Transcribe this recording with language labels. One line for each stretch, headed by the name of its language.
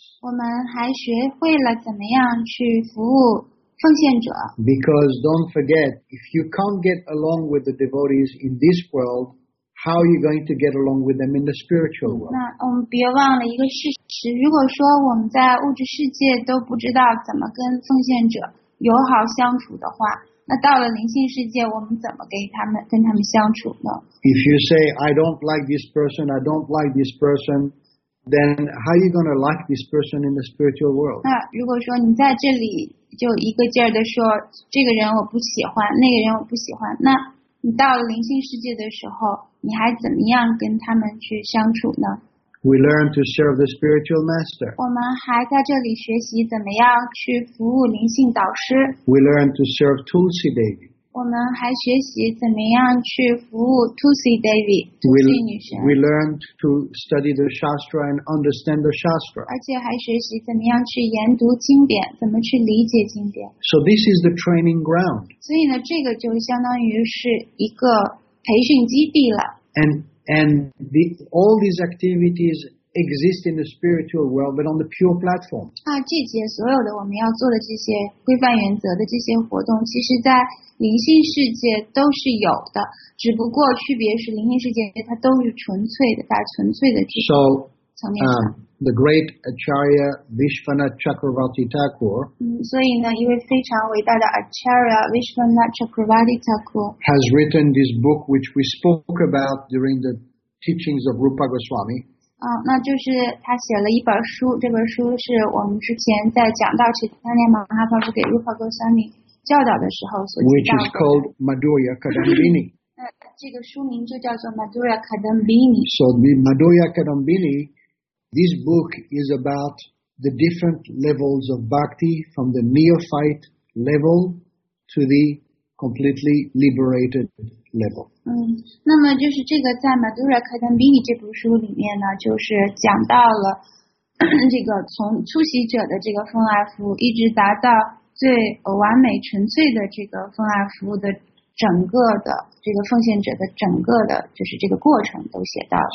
Chinese: 我们还学会了怎么样去服务奉献者。
English: Because don't forget, if you can't get along with the devotees in this world, how are you going to get along with them in the spiritual world?
Chinese: 那我们别忘了一个事实，如果说我们在物质世界都不知道怎么跟奉献者友好相处的话，那到了灵性世界，我们怎么跟他们相处呢？
English: If you say, I don't like this person, I don't like this person, then how are you going to like this person in the spiritual world?
Chinese: 那如果说你在这里就一个劲儿的说，这个人我不喜欢，那个人我不喜欢，那你到了灵性世界的时候，你还怎么样跟他们去相处呢？
English: We learn to serve the spiritual master.
Chinese: 我们还在这里学习怎么样去服务灵性导师。
English: We learn to serve Tulsi Devi.
Chinese: 我们还学习怎么样去服务 Tulsi Devi, 杜西女神。
English: We learn to study the Shastra and understand the Shastra.
Chinese: 而且还学习怎么样去研读经典，怎么去理解经典。
English: So this is the training ground.
Chinese: 所以呢，这个就相当于是一个培训基地了。
English: And all these activities exist in the spiritual world, but on the pure platform.
Chinese: 这些所有的我们要做的这些规范原则的这些活动，其实在灵性世界都是有的，只不过区别是灵性世界它都是纯粹的，在纯粹的这种层面上。
English: The great Acharya Vishvanatha Chakravarti Thakur,
Chinese: 所以呢，一位非常伟大的 Acharya Vishvanatha Chakravarti Thakur
English: has written this book, which we spoke about during the teachings of Rupa Goswami.
Chinese: 那就是他写了一本书，这本书是我们之前在讲到Chaitanya Mahaprabhu给 Rupa Goswami 教导的时候所提到的。
English: Which is called Madhurya Kadambini.
Chinese: 这个书名就叫做 Madhurya Kadambini.
English: So the Madhurya Kadambini. This book is about the different levels of bhakti from the neophyte level to the completely liberated level.
Chinese: 那么就是这个在 Madhurya Kadambini 这部书里面呢，就是讲到了这个从初习者的这个奉爱服务，一直达到最完美纯粹的这个奉爱服务的整个的这个奉献者的整个的就是这个过程都写到了。